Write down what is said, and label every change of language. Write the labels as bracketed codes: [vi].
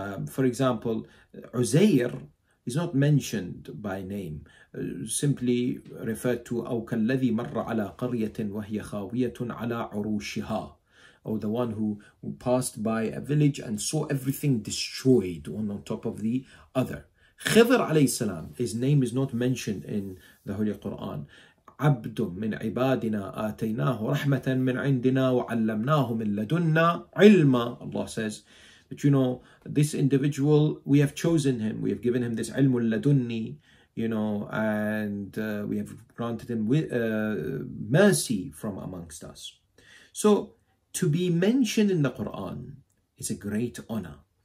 [en] For example, Uzair is not mentioned by name, simply referred to [ar] أو كالذي مر على قرية وهي خاوية على عروشها, [en] or the one who passed by a village and saw everything destroyed one on top of the other. Khidr alayhi salam, his name is not mentioned in the Holy Quran. [ar] عبد من عبادنا آتيناه رحمة من عندنا وعلمناه من لدنا علما. [en] Allah says that, you know, this individual, we have chosen him, we have given him this [ar] علم لدني, [en] you know, and we have granted him mercy from amongst us. So to be mentioned in the Quran is a great honor.